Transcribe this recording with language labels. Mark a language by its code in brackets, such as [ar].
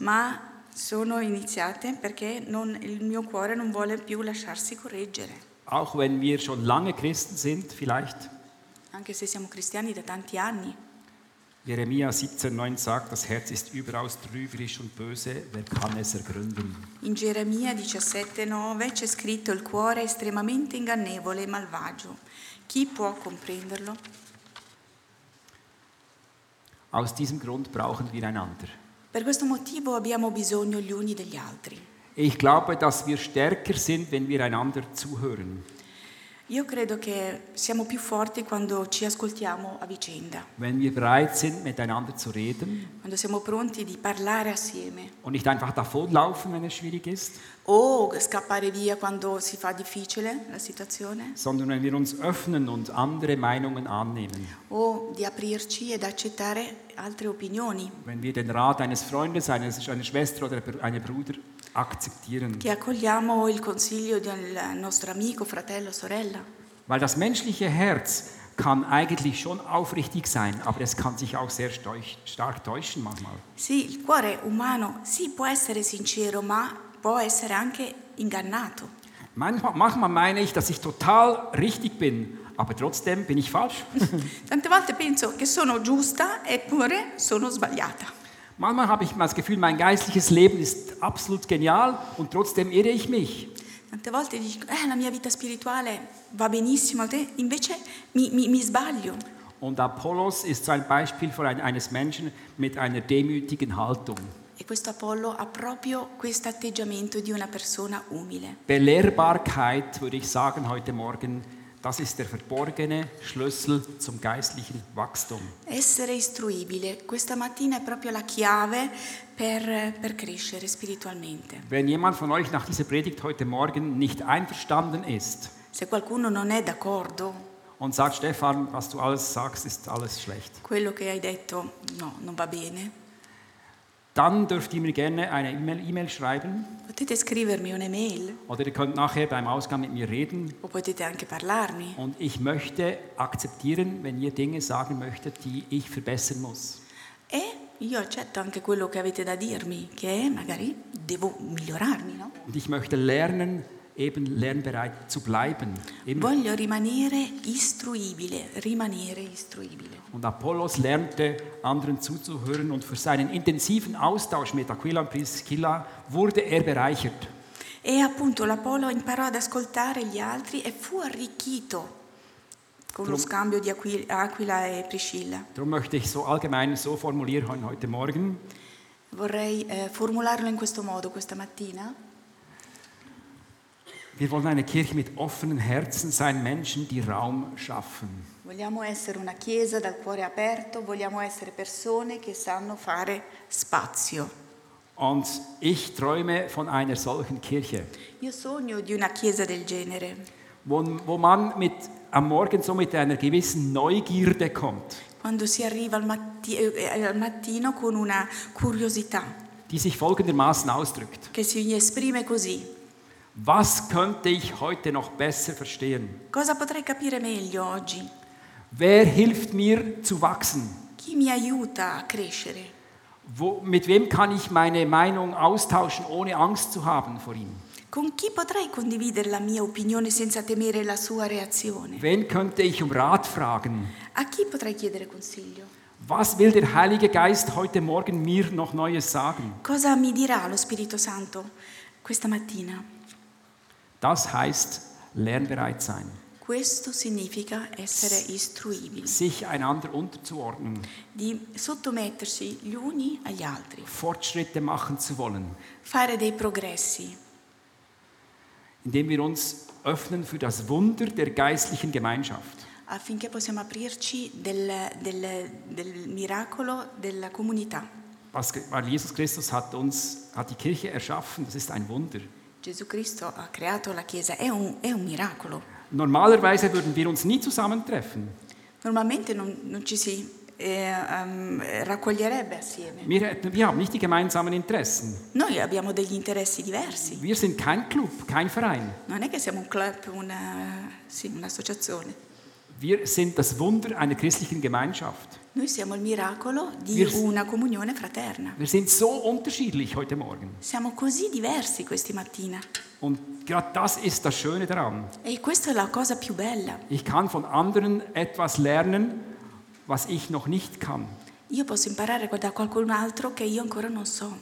[it] Ma sono iniziate perché non, il mio cuore non vuole più lasciarsi correggere. [de] Auch wenn wir schon lange Christen sind, vielleicht. [it] Anche se siamo cristiani da tanti anni. [de] Jeremia 17,9 sagt, das Herz ist überaus trügerisch und böse, wer kann es ergründen? [it] In Geremia 17,9 c'è scritto, il cuore è estremamente ingannevole e malvagio. Chi può comprenderlo? [de] Aus diesem Grund brauchen wir einander. [it] Per questo motivo abbiamo bisogno gli uni degli altri. [de] Ich glaube, dass wir stärker sind, wenn wir einander zuhören. [it] Io credo che siamo più forti quando ci ascoltiamo a vicenda. [de] Wenn wir bereit sind, miteinander zu reden. [it] Quando siamo pronti di parlare assieme. [de] Und nicht einfach davonlaufen, wenn es schwierig ist. [it] O scappare via quando si fa difficile la situazione. [de] Sondern wenn wir uns öffnen und andere Meinungen annehmen. [it] O di aprirci ed accettare altre opinioni. [de] Wenn wir den Rat eines Freundes, einer Schwester oder einer Bruder akzeptieren. [it] Che accogliamo il consiglio del nostro amico, fratello, sorella. [de] Weil das menschliche Herz kann eigentlich schon aufrichtig sein, aber es kann sich auch sehr stark täuschen manchmal. [it] Sì, il cuore umano sì, può essere sincero, ma può essere anche ingannato. [de] Manchmal meine ich, dass ich total richtig bin, aber trotzdem bin ich falsch. [it] Tante volte penso che sono giusta, eppure sono sbagliata. [de] Manchmal habe ich das Gefühl, mein geistliches Leben ist absolut genial und trotzdem irre ich mich. [it] Tante volte dico, la mia vita spirituale va benissimo, invece mi sbaglio. [de] Und Apollos ist so ein Beispiel von eines Menschen mit einer demütigen Haltung. [it] E questo Apollo ha proprio questo atteggiamento di una persona umile. [de] Belehrbarkeit, würde ich sagen heute Morgen, das ist der verborgene Schlüssel zum geistlichen Wachstum. [it] Essere istruibile, questa mattina è proprio la chiave per crescere spiritualmente. [de] Wenn jemand von euch nach dieser Predigt heute Morgen nicht einverstanden ist, [it] se qualcuno non è d'accordo, [de] und sagt, Stefan, was du alles sagst, ist alles schlecht. [it] Quello che hai detto, no, non va bene. [de] Dann dürft ihr mir gerne eine E-Mail schreiben. [it] Potete scrivermi un'E-Mail. [de] Oder ihr könnt nachher beim Ausgang mit mir reden. [it] O potete anche parlarmi. [de] Und ich möchte akzeptieren, wenn ihr Dinge sagen möchtet, die ich verbessern muss. [it] E io accetto anche quello che avete da dirmi, che magari devo migliorarmi, no? [de] Und ich möchte lernen, eben lernbereit zu bleiben. Immer. [it] Voglio rimanere istruibile, rimanere istruibile. [de] Und Apollos lernte, anderen zuzuhören und für seinen intensiven Austausch mit Aquila und Priscilla wurde bereichert. [it] E appunto l'Apollo imparò ad ascoltare gli altri e fu arricchito con lo scambio di Aquila e Priscilla. [de] Darum möchte ich so allgemein so formulieren heute Morgen. [it] Vorrei formularlo in questo modo questa mattina. [de] Wir wollen eine Kirche mit offenen Herzen sein, Menschen, die Raum schaffen. [it] Vogliamo essere una chiesa dal cuore aperto, vogliamo essere persone che sanno fare spazio. [de] Und ich träume von einer solchen Kirche. [it] Io sogno di una chiesa del genere. [de] Wo man mit am Morgen so mit einer gewissen Neugierde kommt. [it] Quando si arriva al mattino con una curiosità. [de] Die sich folgendermaßen ausdrückt. [it] Che si esprime così. [de] Was könnte ich heute noch besser verstehen? [it] Cosa potrei capire meglio oggi? [de] Wer hilft mir zu wachsen? [it] Chi mi aiuta a crescere? [de] Mit wem kann ich meine Meinung austauschen, ohne Angst zu haben vor ihm? [it] Con chi potrei condividere la mia opinione senza temere la sua reazione? [de] Wen könnte ich um Rat fragen? [it] A chi potrei chiedere consiglio? [de] Was will der Heilige Geist heute Morgen mir noch Neues sagen? [it] Cosa mi dirà lo Spirito Santo questa mattina? [de] Das heißt, lernbereit sein. [it] Questo significa essere istruibili. [de] Sich einander unterzuordnen. [it] Di sottomettersi gli uni agli altri. [de] Fortschritte machen zu wollen. [it] Fare dei progressi. [de] Indem wir uns öffnen für das Wunder der geistlichen Gemeinschaft. [it] Affinché possiamo aprirci del miracolo della comunità. [de] Weil Jesus Christus hat die Kirche erschaffen, das ist ein Wunder. [it] Gesù Cristo ha creato la Chiesa, è un miracolo. [de] Normalerweise würden wir uns nie zusammentreffen. [it] Normalmente non ci si raccoglierebbe assieme. [de] Wir haben nicht die gemeinsamen Interessen. [it] Noi abbiamo degli interessi diversi. [de] Wir sind kein Club, kein Verein. [it] Non è che siamo un club, un'associazione. [de] Wir sind das Wunder einer christlichen Gemeinschaft. [it] Noi siamo il miracolo di una comunione fraterna. [de] Wir sind so unterschiedlich heute Morgen. [it] Siamo così diversi questa mattina. [de] Und gerade das ist das Schöne daran. [it] E questa è la cosa più bella. [de] Ich kann von anderen etwas lernen, was ich noch nicht kann. [it] Io posso imparare da qualcun altro che io ancora non so.